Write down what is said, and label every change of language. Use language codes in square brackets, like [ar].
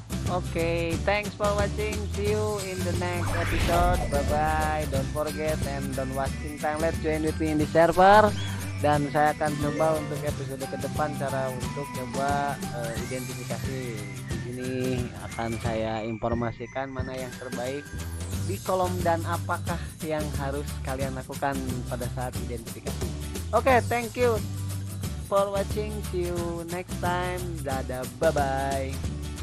[en] Oke, thanks for watching. See you in the next episode. Bye-bye. Don't forget and don't wasting time. Let's join with me in the server. [id] Dan saya akan coba untuk episode ke depan cara untuk coba identifikasi. Di sini akan saya informasikan mana yang terbaik di kolom dan apakah yang harus kalian lakukan pada saat identifikasi. [en] Oke, thank you for watching. See you next time. [id] Dadah, [en] bye-bye.